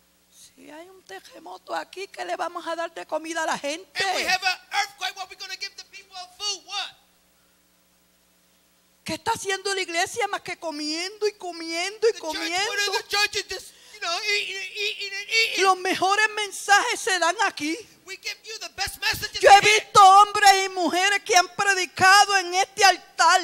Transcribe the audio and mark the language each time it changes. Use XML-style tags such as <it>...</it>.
<es>Si hay un terremoto aquí, ¿qué le vamos a dar de comida a la gente?</es> <en>If we have an earthquake, what are we going to give the people of food? What?</en> <es>¿Qué está haciendo la iglesia más que comiendo y comiendo y</es> <en>the</en> <es>comiendo?</es> <en>Church, what are the churches just, you know, eating.</en> <es>Los mejores mensajes se dan aquí.</es> <en>We give you the best messages.</en> <es>Yo he visto hombres y mujeres que han predicado en este altar.</es>